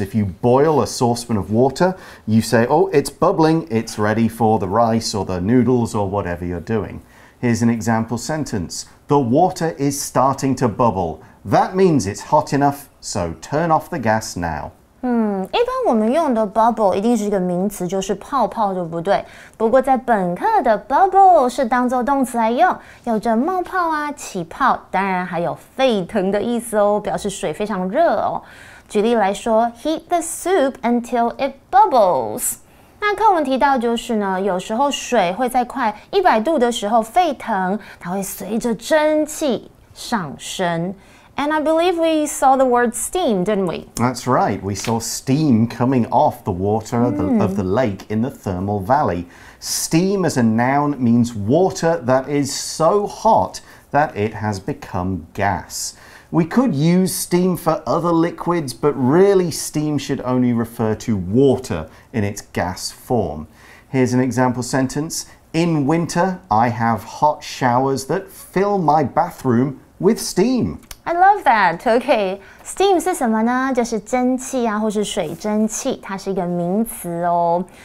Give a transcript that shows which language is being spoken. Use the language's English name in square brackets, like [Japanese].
[English] If you boil a saucepan of water, you say, oh, it's bubbling. It's ready for the rice or the noodles or whatever you're doing. Here's an example sentence. The water is starting to bubble. That means it's hot enough, so turn off the gas now. [Chinese] 一般我们用的 bubble 一定是一个名词，就是泡泡，对不对？不过在本课的 bubble 是当作动词来用，有着冒泡啊、起泡，当然还有沸腾的意思哦，表示水非常热哦。举例来说 ， [English] heat the soup until it bubbles. [Chinese] 那课文提到就是呢有时候水会在快100度的时候沸腾它会随着蒸汽上升。 [English] And I believe we saw the word steam, didn't we? That's right. We saw steam coming off the water of the lake in the thermal valley. Steam as a noun means water that is so hot that it has become gas. We could use steam for other liquids, but really steam should only refer to water in its gas form. Here's an example sentence. In winter, I have hot showers that fill my bathroom with steam. I love that. Okay. Steam [Chinese] 是什么呢？就是蒸汽啊，或是水蒸气，它是一个名词哦。